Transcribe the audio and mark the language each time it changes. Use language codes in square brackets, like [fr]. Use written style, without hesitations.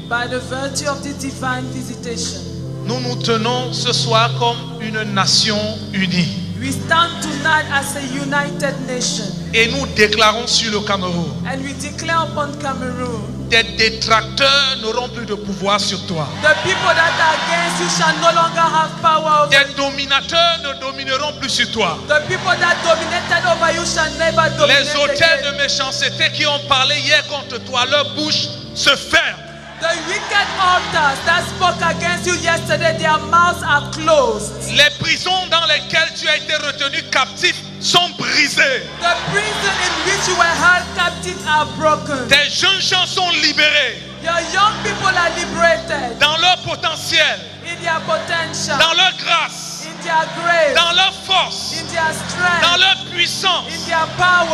[en] by the virtue of the divine visitation, [fr] nous nous tenons ce soir comme une nation unie. [en] We stand tonight as a united nation. [fr] Et nous déclarons sur le Cameroun. [en] And we declare upon Cameroon. [fr] Tes détracteurs n'auront plus de pouvoir sur toi. [en] The people that are against you shall no longer have power over [fr] tes dominateurs ne domineront plus sur toi. [en] The people that dominated over you shall never dominate [fr] les hôtels de méchanceté qui ont parlé hier contre toi, leur bouche se ferme. [en] The wicked altars that spoke against you yesterday, their mouths are closed. [fr] Les prisons dans lesquelles tu as été retenu captif sont brisées. [en] The prison in which you were held captive are broken. [fr] Tes jeunes gens sont libérés. [en] Your young people are liberated. [fr] Dans leur potentiel. [en] In their potential. [fr] Dans leur grâce. [en] In their grace. [fr] Dans leur force. [en] In their strength. [fr] Dans leur puissance. [en] In their power.